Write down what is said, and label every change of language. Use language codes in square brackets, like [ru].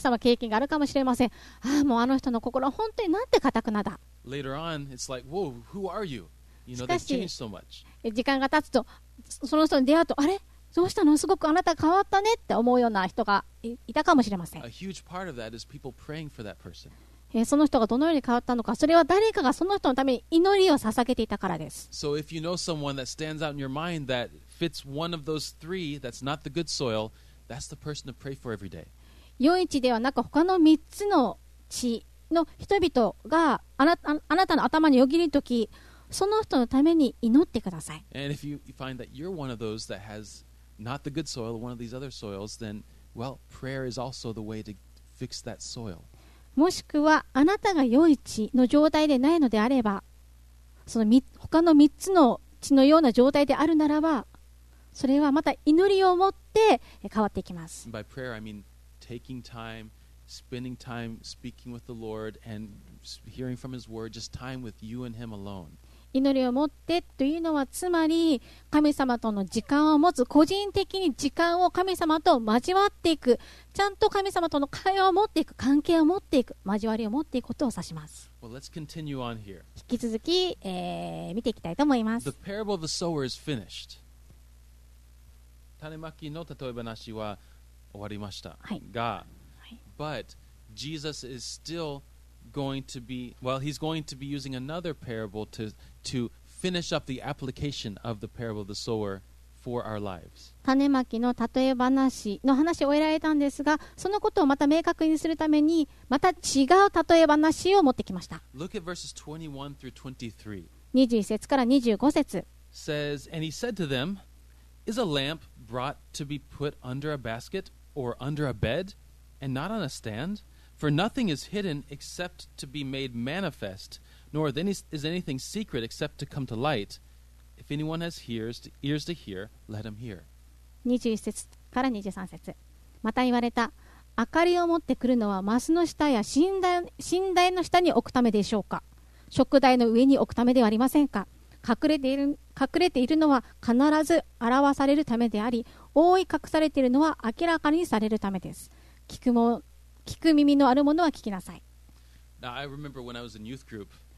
[ja] 様経験があるかもしれません。ああもうあの人の心は本当になんて固くなだ。 [en] Later on, it's like, whoa, who are you? You know, they've changed so much. [ja] しかし時間が経つとその人に出会うとあれどうしたのすごくあなた変わったねって思うような人が いたかもしれません。 [en] A huge part of that is people praying for that person [ja] その人がどのように変わったのかそれは誰かがその人のために祈りを捧げていたからです。 [en] So if you know someone that stands out in your mind that fits one of those three that's not the good soil, that's the person to pray for every day. [ja] 良い地ではなく他の3つの地の人々があなたの頭によぎるときその人のために祈ってください。 [en] And if you find that you're one of those that has not the good soil, one of these other soils, then well, prayer is also the way to fix that soil. [ja] もしくはあなたが良い地の状態でないのであればその他の3つの地のような状態であるならばそれはまた祈りを持って変わっていきます。 [en] By prayer, I mean taking time, spending time speaking with the Lord and hearing from His word, just time with you and Him alone. [ja] 祈りを持ってというのはつまり神様との時間を持つ個人的に時間を神様と交わっていくちゃんと神様との会話を持っていく関係を持っていく交わりを持っていくことを指します。 [en] well, let's continue on here. [ja] 引き続き、見ていきたいと思います。 [en] The parable of the sower is finished. [ja] 種まきの例え話は終わりました、はい、が、は [en] い、But Jesus is still going to be well he's going to be using another parable to finish up the application of the parable of the sowerFor our lives. [ja] 種まきの例え話の話を終えられたんですがそのことをまた明確にするためにまた違う例え話を持ってきました。 [en] Look at verses 21 through 23. 21 [ja] 節から25節 [en] says, And he said to them, Is a lamp brought to be put under a basket or under a bed and not on a stand? For nothing is hidden except to be made manifest, nor is anything secret except to come to light. If anyone has ears to hear, let him hear. [ja] 21節から23節。また言われた、明かりを持ってくるのはマスの下や寝台の下に置くためでしょうか。食台の上に置くためではありませんか。隠れているのは必ず表されるためであり、覆い隠されているのは明らかにされるためです。聞く耳のあるものは聞きなさい。 [en] Now, I remember when I was in youth group.